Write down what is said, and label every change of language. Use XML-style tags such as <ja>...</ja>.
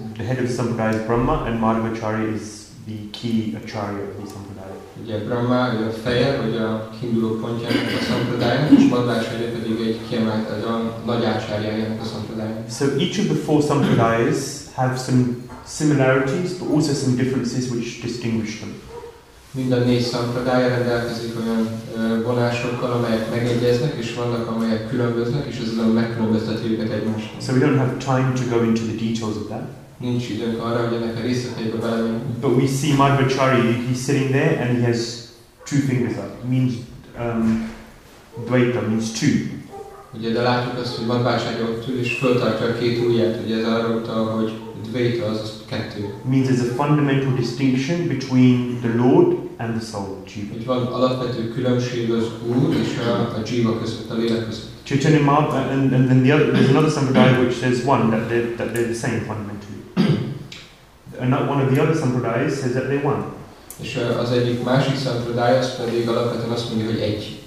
<en>The head of the sampradaya is Brahma, and Madhavacharya is the key acharya of the sampradaya.</en> <hu>Ugye Brahma, ugye a feje, vagy a kiinduló pontjának a sampradaya, és Madhavacharya pedig egy kiemelt, egy olyan nagy acharyájának a sampradaya.</hu> <en>So each of the four sampradayas have some similarities, but also some differences which distinguish them.</en> <hu>Mind a négy szampradája rendelkezik olyan vonásokkal, amelyek megegyeznek, és vannak, amelyek különböznek, és ez nem megkülönbözteti őket egymást.</hu> <en>So we don't have time to go into the details of that.</en> <hu>Nincs időnk arra, hogy ennek a részleteibe belemenjünk.</hu> <en>But we see Madhvacharya, he's sitting there and he has two fingers up. Means dvaita, means two.</en> <hu>Ugye, de látjuk azt, hogy Madhvacharya ott ül és föltartja a két ujját, ugye ez arra utal, hogy Dvaita, azaz kettő.</hu> <en>Means there's a fundamental distinction between the Lord and the soul, Jiva.</en> <hu>Itt van alapvető különbség az Úr és a Jiva között, a lélek között.</hu> <en>Chaitanya Mahaprabhu, and then the other, there's another sampradaya which says one, that they're the same fundamentally. And one of the other sampradayas says that they're one.</en> <hu>És az egyik másik sampradaya pedig alapvetően azt mondja, hogy egy.</hu>